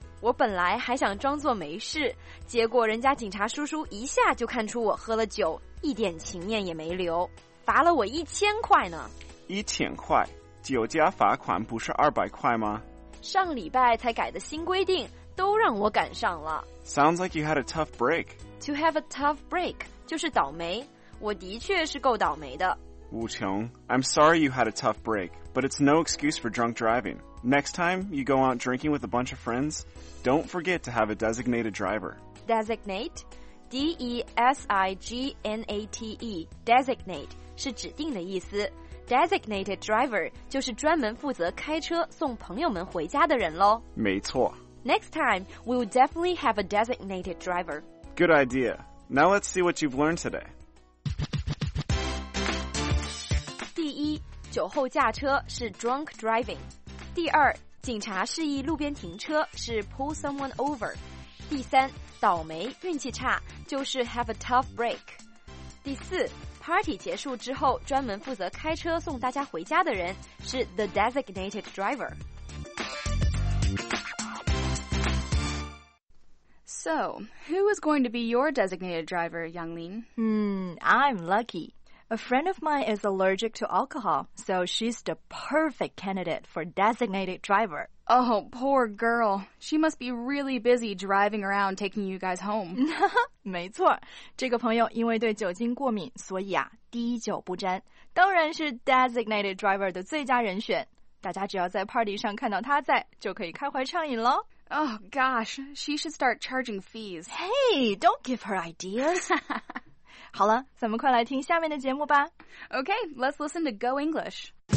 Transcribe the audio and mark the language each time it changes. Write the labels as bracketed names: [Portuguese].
[Chinese] 我本来还想装作没事，结果人家警察叔叔一下就看出我喝了酒，一点情面也没留，罚了我1000块呢。 1000块？酒驾罚款不是200块吗？上礼拜才改的新规定，都让我赶上了。 [English] Sounds like you had a tough break. To have a tough break [Chinese] 就是倒霉，我的确是够倒霉的。 [English] Wu Qiong, I'm sorry you had a tough break, but it's no excuse for drunk driving. Next time you go out drinking with a bunch of friends, don't forget to have a designated driver. Designate? [Chinese] D-E-S-I-G-N-A-T-E, designate, 是指定的意思。 Designated driver 就是专门负责开车送朋友们回家的人咯。没错。 [English] Next time, we'll definitely have a designated driver. Good idea. Now let's see what you've learned today. [Chinese] 酒后驾车是 [English] drunk driving。 [Chinese] 第二，警察示意路边停车是 [English] pull someone over。 [Chinese] 第三，倒霉运气差就是 [English] have a tough break。 [Chinese] 第四， party 结束之后专门负责开车送大家回家的人是 [English] the designated driver。 So, who is going to be your designated driver, Yanglin? I'm lucky. A friend of mine is allergic to alcohol, so she's the perfect candidate for designated driver. Oh, poor girl. She must be really busy driving around taking you guys home. [Chinese] 没错，这个朋友因为对酒精过敏，所以啊，滴酒不沾，当然是 designated driver 的最佳人选。大家只要在 party 上看到她在，就可以开怀畅饮咯。 [English] Oh, gosh, she should start charging fees. Hey, don't give her ideas. [Chinese] 好了，咱们快来听下面的节目吧。 [English] Okay, let's listen to Go English.